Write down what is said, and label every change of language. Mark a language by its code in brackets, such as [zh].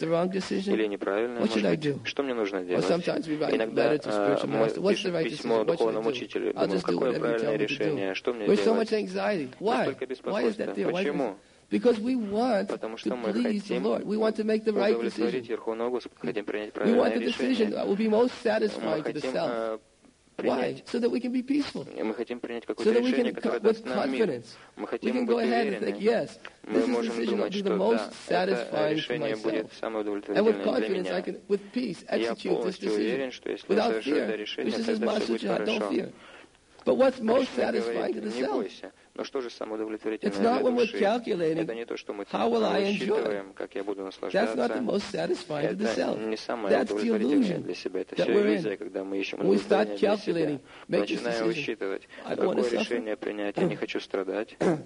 [ru] Или неправильное? Может быть, что мне нужно делать? Иногда мы пишем письмо духовному учителю, думаем, какое правильное решение, что мне делать? Мы столько беспокойства. [en] Почему? Because we want to please the Lord. We want to make the right decision. We want the decision that will be most satisfying to the self. Why? So that we can be peaceful. So that we can with confidence. We can go ahead and think, yes, this is the decision that will be the most satisfying for myself. And with confidence, I can, with peace, execute this decision without fear. Which is Masujana, don't fear. But what's most satisfying to the self? [ru] Но что же самоудовлетворительное для души? Это не то, что мы считываем, как я буду наслаждаться. Это не самое удовлетворительное для себя. Это все иллюзия, когда мы ищем удовлетворение для себя. Мы начинаем высчитывать, какое решение принять, я не хочу страдать.